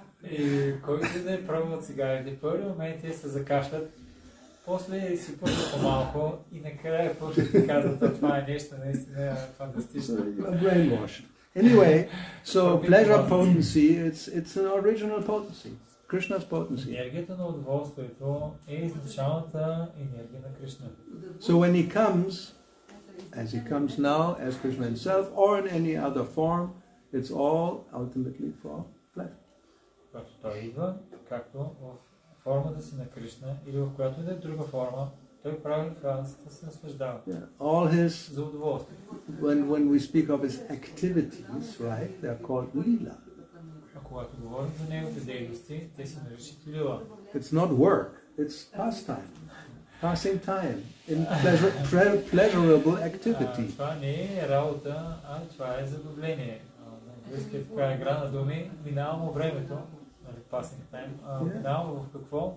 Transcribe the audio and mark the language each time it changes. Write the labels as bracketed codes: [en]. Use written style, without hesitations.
[bg] И който не е пробвал цигарите, първи момент се закашлят, после си пушат по-малко и накрая пушат и казват, това е нещо наистина фантастично. [en] Brainwashed. Anyway, so pleasure potency, it's an original potency. Krishna's potency. [bg] Енергията на удоволствието е изначалната енергия на Кришна. [en] So when he comes, as he comes now, as Krishna himself, or in any other form, it's all ultimately for pleasure. [bg] Той идва, както в формата си на Кришна, или в която и да е друга форма, той прави това да се наслаждава. [en] All his, [bg] за удоволствие. [en] When we speak of his activities, right, they are called lila. [bg] Когато говорим за неговите дейности, те се наричат лила. [en] It's not work, it's pastime. passing time in pleasurable activity. [bg] Това не е работа, а това е забавление. Близкият така игра на думи, минавам времето, нали, [en] passing time, [bg] минавам в какво?